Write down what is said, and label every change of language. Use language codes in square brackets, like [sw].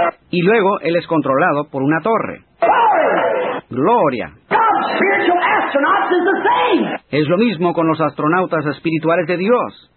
[es] Y luego él es controlado por una torre. [en] Power. [es] Gloria. [en] God's spiritual astronauts is the same. [es] Es lo mismo con los astronautas espirituales de Dios.